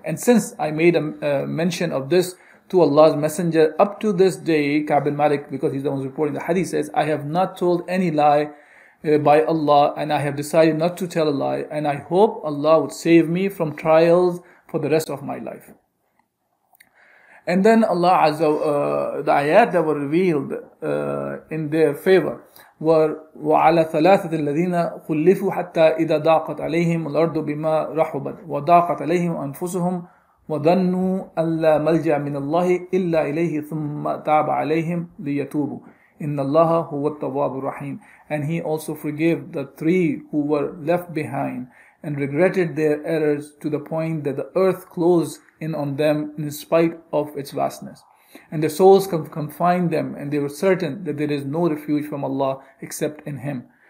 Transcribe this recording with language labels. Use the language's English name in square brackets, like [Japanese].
[English] And since I made a mention of this to Allah's Messenger, up to this day, Ka'b bin Malik, because he's the one who's reporting the hadith, says, I have not told any lie by Allah, and I have decided not to tell a lie, and I hope Allah would save me from trials for the rest of my life. And then Allah Azza, the ayat that were revealed in their favor, [Arabic] وعلى ثلاثة الذين خلفوا حتى إذا ضاقت عليهم الأرض بما رحبت وضاقت عليهم أنفسهم وظنوا ألا ملجأ من الله إلا إليه ثم تاب عليهم ليتوبوا إن الله هو التواب الرحيم. [English] And he also forgave the three who were left behind and regretted their errors to the point that the earth closed in on them in spite of its vastness. And their souls confined them, and they were certain that there is no refuge from Allah except in Him.